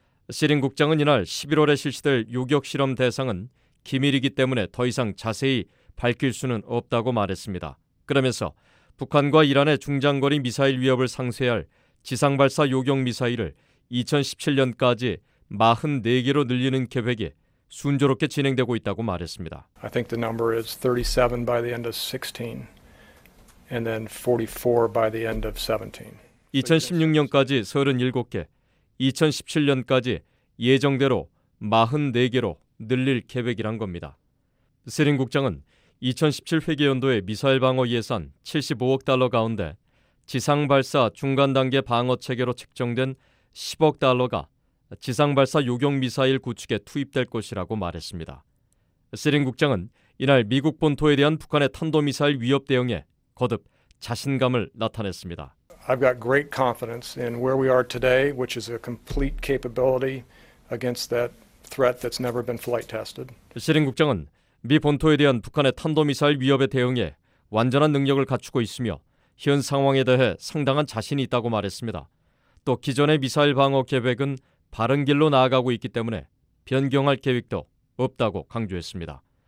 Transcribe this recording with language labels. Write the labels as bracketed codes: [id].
[ko] 시린 국장은 이날 11월에 실시될 요격 실험 대상은 기밀이기 때문에 더 이상 자세히 밝힐 수는 없다고 말했습니다. 그러면서 북한과 이란의 중장거리 미사일 위협을 상쇄할 지상발사 요격 미사일을 2017년까지 44개로 늘리는 계획이 순조롭게 진행되고 있다고 말했습니다. [en] I think the number is 37 by the end of 16 and then 44 by the end of 17. [ko] 2016년까지 37개, 2017년까지 예정대로 44개로 늘릴 계획이란 겁니다. 세린 국장은 2017 회계 연도의 미사일 방어 예산 75억 달러 가운데 지상 발사 중간 단계 방어 체계로 측정된 10억 달러가 지상발사 요격미사일 구축에 투입될 것이라고 말했습니다. 세린 국장은 이날 미국 본토에 대한 북한의 탄도미사일 위협 대응에 거듭 자신감을 나타냈습니다. [en] I've got great confidence in where we are today, which is a complete capability against that threat that's never been flight tested. [ko] 세린 국장은 미 본토에 대한 북한의 탄도미사일 위협에 대응에 완전한 능력을 갖추고 있으며 현 상황에 대해 상당한 자신이 있다고 말했습니다. 또 기존의 미사일 방어 계획은 바른 길로 나아가고 있기 때문에 변경할 계획도 없다고 강조했습니다.